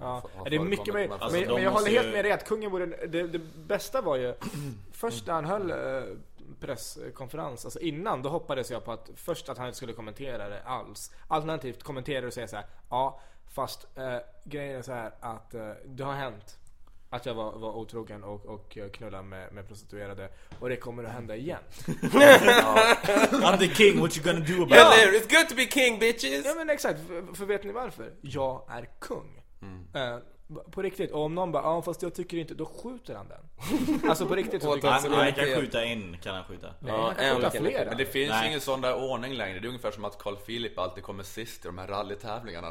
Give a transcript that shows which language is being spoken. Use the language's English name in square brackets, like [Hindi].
[Swedish] Ja, det är mycket mer, alltså, men jag håller helt med dig att kungen borde, det bästa var ju först när han höll presskonferens, alltså innan, då hoppades jag på att först att han inte skulle kommentera det alls. Alternativt kommentera och säga så här, ja, fast grejen är så här att det har hänt att jag var otrogen och knullade med prostituerade och det kommer att hända igen. [English] I'm the king, what you gonna do about it? Yeah, it's good to be king, bitches! [Swedish] Ja, men exakt, för vet ni varför? Jag är kung. På riktigt, och om någon bara, ja fast jag tycker inte, då skjuter han den. Alltså på riktigt. Han kan skjuta. Ja, en. Men det finns ju ingen sån där ordning längre. Det är ungefär som att Carl Philip alltid kommer sist i de här rallytävlingarna.